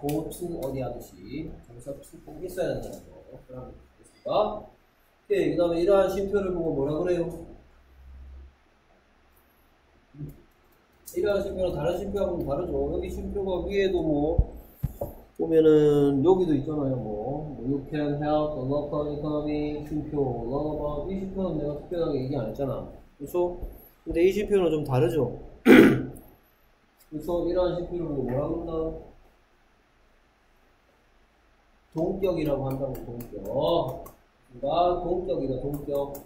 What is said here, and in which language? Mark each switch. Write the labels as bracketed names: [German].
[Korean] go to 어디 하듯이 전치사 to 꼭 있어야 된다는 거. 됐습니까? 오케이. 그 다음에 이러한 쉼표를 보고 뭐라 그래요? 이러한 쉼표는 다른 쉼표하고는 다르죠. 여기 쉼표가 위에도 뭐 보면은 여기도 있잖아요. [English] 뭐 you can help the local economy 쉼표 about. [Korean] 이 쉼표는 내가 특별하게 얘기 안 했잖아. 그렇죠? 근데 이 쉼표는 좀 다르죠. 그래서 이러한 쉼표를 보고 뭐라고 한다? 동격이라고 한다고. 동격. 아, 동격이다. 동격.